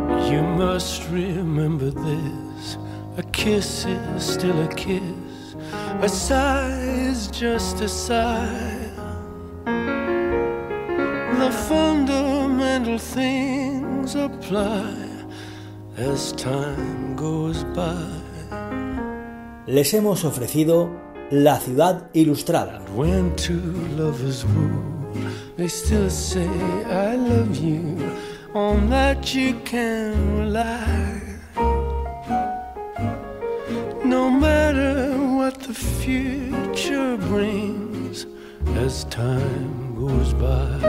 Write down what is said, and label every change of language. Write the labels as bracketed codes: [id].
[en] You must remember this, a kiss is still a kiss, a sigh is just a sigh. The fundamental things apply as time goes by. [es] Les hemos ofrecido La Ciudad Ilustrada. [en] And when two lovers woo, they still say I love you. On that you can rely. No matter what the future brings, as time goes by. goes by.